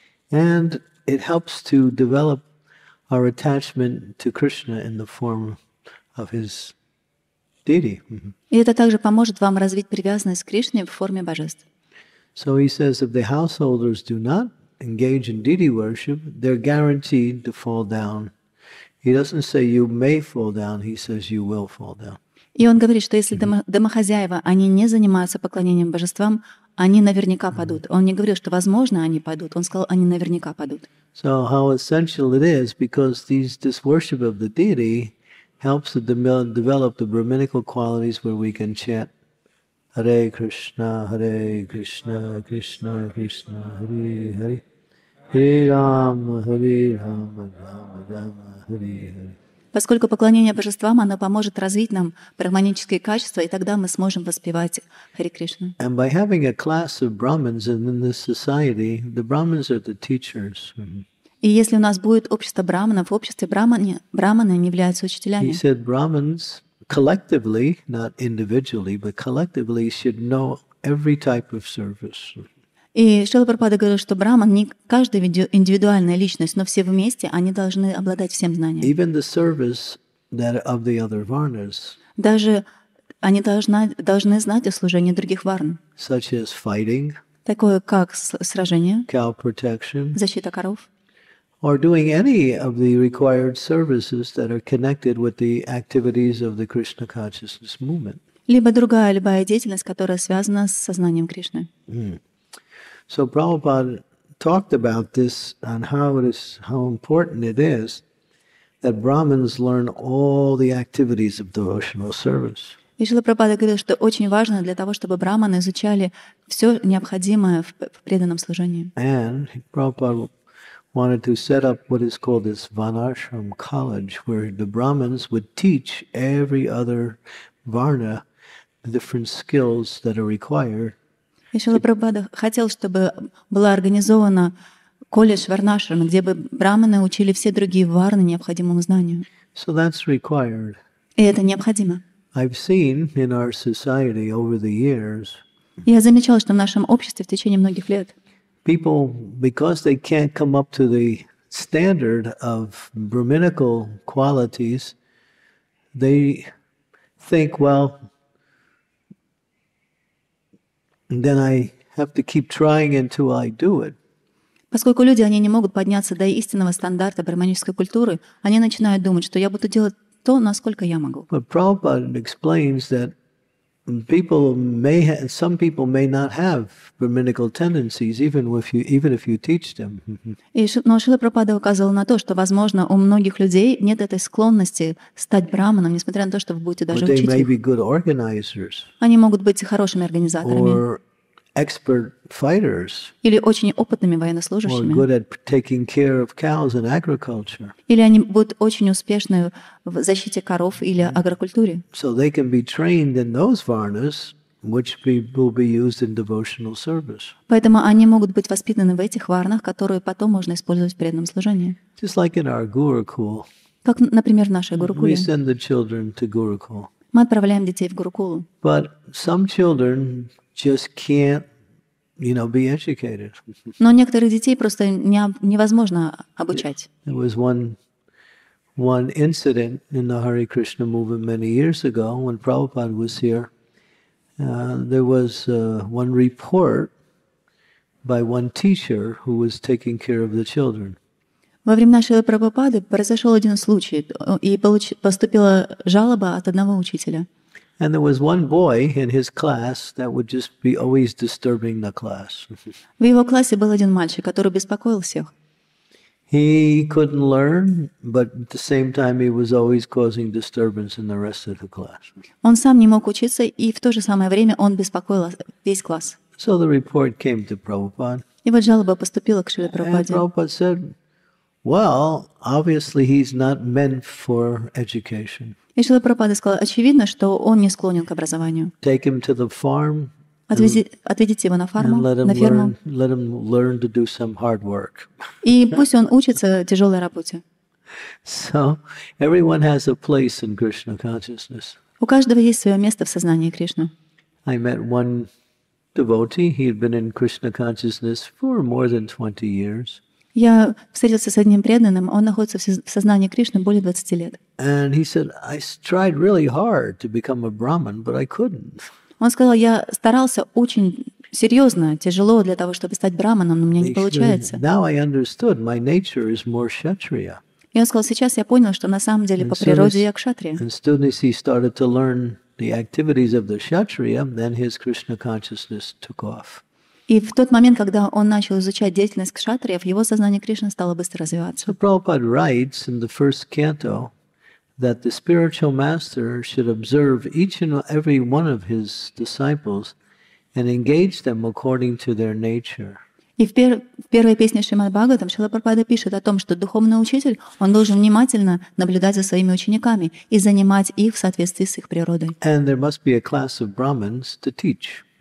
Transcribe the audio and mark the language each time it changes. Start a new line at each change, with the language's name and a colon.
English: And it helps to develop our attachment to Krishna in the form of his deity.
Russian: И это также поможет вам развить привязанность к Кришне в форме божеств.
English: So he says, if the householders do not engage in deity worship, they're guaranteed to fall down. He doesn't say you may fall down, he says you will fall down.
Russian: И он говорит, что если домохозяева, они не занимаются поклонением божествам, они наверняка падут. Он не говорил, что возможно они падут, он сказал, они наверняка падут.
English: So how essential it is, because this worship of the deity helps to develop the brahminical qualities where we can chant Hare Krishna, Krishna, Krishna, Hare Hare.
Sanskrit: Hare Rama, Hare Rama, Rama Rama, Hare Hare.
Russian: Поскольку поклонение божествам, оно поможет развить нам брахманические качества, и тогда мы сможем воспевать Хари Кришну.
English: And by having a class of Brahmins in this society, the Brahmins are the teachers.
Russian: И если у нас будет общество Брахманов, в обществе Брахманы, они являются учителями.
English: He said Brahmins collectively, not individually, but collectively should know every type of service.
Russian: И Шрила Прабхупада говорил, что Брахман не каждая индивидуальная личность, но все вместе они должны обладать всем знанием.
English: Even the service that of the other varnas.
Russian: Даже они должны знать о служении других варн.
English: Such as fighting.
Russian: Такое как сражение.
English: Cow protection.
Russian: Защита коров.
English: Or doing any of the required services that are connected with the activities of the Krishna consciousness movement.
Russian: Либо другая любая деятельность, которая связана с сознанием Кришны.
English: So Prabhupada talked about this and how important it is that Brahmins learn all the activities of devotional service.
Russian: И Шрила Прабхупада говорил, что очень важно для того, чтобы брахманы изучали все необходимое в преданном служении.
English: And Prabhupada wanted to set up what is called this Vanashram College, where the Brahmins would teach every other varna the different skills that are required.
Russian: И Шрила Прабхупада хотел, чтобы была организована колледж варнашрам, где бы брахманы учили все другие варны необходимому знанию.
English: So that's required.
Russian: И это необходимо.
English: I've seen in our society over the years.
Russian: Я замечал, что в нашем обществе в течение многих лет.
English: People, because they can't come up to the standard of brahminical qualities, they think, well, then I have to keep trying until I do it.
Russian: Поскольку люди они не могут подняться до истинного стандарта брахманической культуры, они начинают думать, что я буду делать то, насколько я могу.
English: But Prabhupada explains that some people may not have brahminical tendencies, even if you teach them.
Russian: Но Шрила Прабхупада указывал на то, что, возможно, у многих людей нет этой склонности стать брахманом, несмотря на то, что вы будете даже учить их.
English: But they may be good organizers.
Russian: Они могут быть хорошими организаторами.
English: Or expert fighters.
Russian: Или очень опытными военнослужащими.
English: Or good at taking care of cows and agriculture.
Russian: Или они будут очень успешны в защите коров или агрокультуре.
English: So they can be trained in those varnas, which will be used in devotional service.
Russian: Поэтому они могут быть воспитаны в этих варнах, которые потом можно использовать в преданном служении.
English: Just like in our Gurukul.
Russian: Как, например, в нашей Гурукуле.
English: We send the children to Gurukul.
Russian: Мы отправляем детей в Гурукулу.
English: But some children just can't, you know, be educated.
Russian: Но некоторых детей просто невозможно обучать.
English: There was one incident in the Hare Krishna movement many years ago when Prabhupada was here. There was one report by one teacher who was taking care of the children.
Russian: Во времена Шрилы Прабхупады произошел один случай, и поступила жалоба от одного учителя.
English: And there was one boy in his class that would just be always disturbing the class.
Russian: В его классе был один мальчик, который беспокоил всех.
English: He couldn't learn, but at the same time he was always causing disturbance in the rest of the class.
Russian: Он сам не мог учиться, и в то же самое время он беспокоил весь класс.
English: So the report came to Prabhupada.
Russian: И вот жалоба поступила к Шриле Прабхупаде.
English: And Prabhupada said, well, obviously he's not meant for education.
Russian: И Шрила Прабхупада сказал, очевидно, что он не склонен к образованию.
English: Take him to the farm.
Russian: Отведите его на фарму,
English: and let him learn to do some hard work.
Russian: И пусть он учится тяжелой работе.
English: So everyone has a place in Krishna consciousness.
Russian: У каждого есть свое место в сознании Кришны.
English: I met one devotee. He had been in Krishna consciousness for more than 20 years.
Russian: Я встретился с одним преданным, он находится в сознании Кришны более 20 лет.
English: And he said, I tried really hard to become a Brahmin, but I couldn't.
Russian: Он сказал, я старался очень серьезно, тяжело для того, чтобы стать брахманом, но у меня не получается.
English: Now I understood my nature is more kshatriya.
Russian: И он сказал, сейчас я понял, что на самом деле по природе я кшатрия.
English: And soon as he started to learn the activities of the kshatriya, then his Krishna consciousness took off.
Russian: И в тот момент, когда он начал изучать деятельность кшатриев, его сознание Кришны стало быстро развиваться.
English: So Prabhupada writes in the first canto that the spiritual master should observe each and every one of his disciples and engage them according to their nature.
Russian: И в первой песне Шримад Бхагаватам Шрила Прабхупада пишет о том, что духовный учитель, он должен внимательно наблюдать за своими учениками и занимать их в соответствии с их природой.
English: And there must be a class of Brahmins to teach.